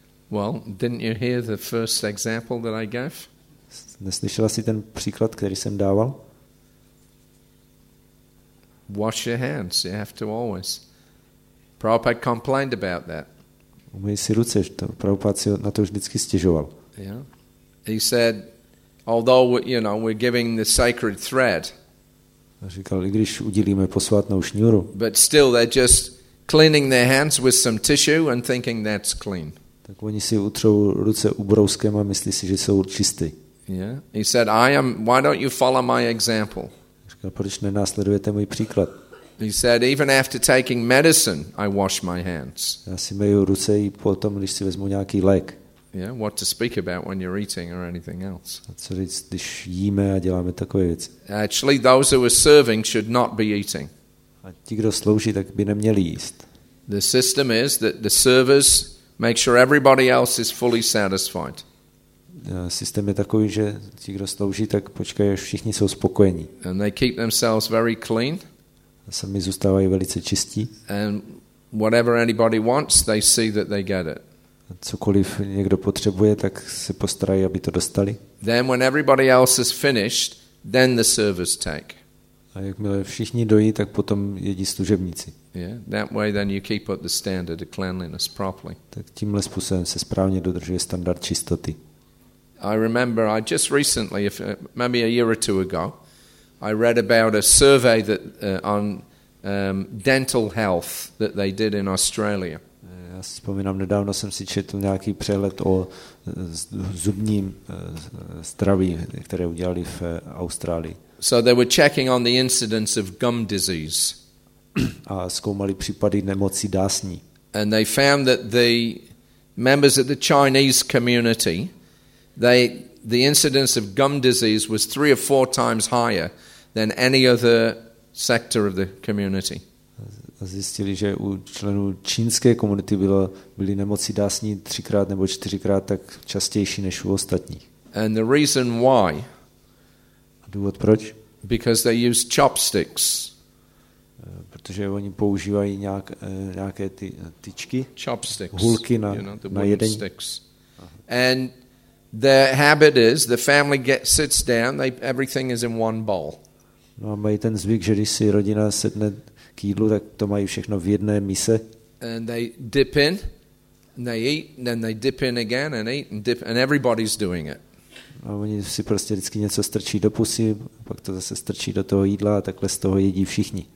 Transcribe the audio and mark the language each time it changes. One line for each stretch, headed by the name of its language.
English: Well, didn't you hear the first example that I gave?
Czech: Neslyšela jsi ten příklad, který jsem dával?
English: Wash your hands, you have to always. Prabhupada complained about that.
Czech: Umyj si ruce, Prabhupada si na to už vždycky stěžoval.
English: Yeah. He said, Although you know we're giving the sacred thread.
Czech: Říkal, i když udělíme posvátnou šňůru.
English: But still they're just cleaning their hands with some tissue and thinking that's clean.
Czech: Tak oni si utřou ruce ubrouskem a myslí si, že jsou čistý.
English: Yeah. He said, I am, why don't you follow my example?
Czech: Říkal, proč nenásledujete můj příklad?
English: He said, even after taking medicine, I wash my hands.
Czech: Já si myju ruce i potom, když si vezmu nějaký lék.
English: Yeah, what to speak about when you're eating or anything else.
Czech: A co říct, když jíme a děláme takové věci.
English: Actually, those who are serving should not be eating.
Czech: A ti, kdo slouží, tak by neměli jíst.
English: The system is that the servers make sure everybody else is fully satisfied.
Czech: Systém je takový, že ti, kdo slouží, tak počkají, až všichni jsou spokojení.
English: And they keep themselves very clean.
Czech: A sami zůstávají velice čistí.
English: And whatever anybody wants, they see that they get it.
Czech: Cokoliv někdo potřebuje, tak se postarají, aby to dostali.
English: Then when everybody else is finished, then the servers take.
Czech: A jakmile všichni dojí, tak potom jedí služebníci.
English: Yeah, that way then you keep up the standard of cleanliness properly.
Czech: Tak tímhle způsobem se správně dodržuje standard čistoty.
English: I remember I just recently, maybe a year or two ago, I read about a survey that on dental health that they did in Australia.
Czech: Já si vzpomínám, nedávno jsem si četl nějaký přehled o zubním zdraví, které udělali v Austrálii.
English: So they were checking on the incidence of gum disease.
Czech: A zkoumali případy nemocí dásní.
English: And they found that the members of the Chinese community, the incidence of gum disease was 3 or 4 times higher than any other sector of the community.
Czech: Zjistili, že u členů čínské komunity byly nemocí dásní 3x nebo 4x tak častější než u ostatních.
English: And the reason why?
Czech: A důvod proč?
English: Because they use chopsticks.
Czech: Protože oni používají nějaké ty tyčky.
English: Chopsticks.
Czech: Hulky na jedení. Sticks.
English: And their habit is the family sits down, everything is in one bowl.
Czech: No a mají ten zvyk, že když si rodina sedne k jídlu, tak to mají všechno v jedné mise.
English: And they dip in, and they eat, and then they dip in again and eat and dip, and everybody's doing it.
Czech: A oni si prostě vždycky něco strčí do pusy, pak to zase strčí do toho jídla a takhle z toho jedí všichni.